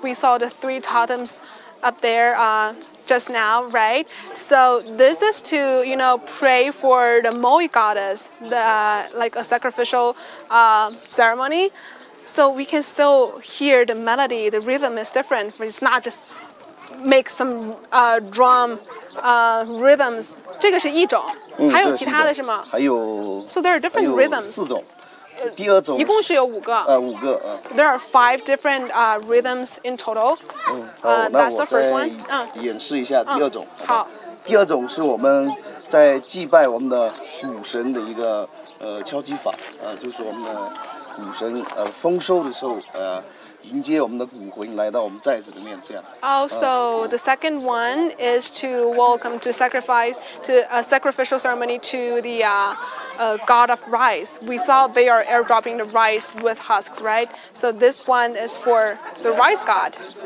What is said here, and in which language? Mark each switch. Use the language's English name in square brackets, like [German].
[English] We saw the 3 totems up there just now, right? So this is to, you know, pray for the Moi goddess, like a sacrificial ceremony. So we can still hear the melody, the rhythm is different. It's not just make some drum rhythms. [Chinese] 这个是一种，还有其他的是吗？还有。 [English] So there are different rhythms. [Chinese] 四种，第二种。一共是有五个。五个。 [English] There are 5 different rhythms in total. [Chinese] 好，那我再演示一下第二种。好。第二种是我们在祭拜我们的鼓神的一个敲击法，就是我们的谷神丰收的时候迎接我们的骨魂来到我们寨子里面这样。 [English] Also, the second one is to welcome to sacrifice to a sacrificial ceremony to the god of rice. We saw they are airdropping the rice with husks, right? So this one is for the rice god.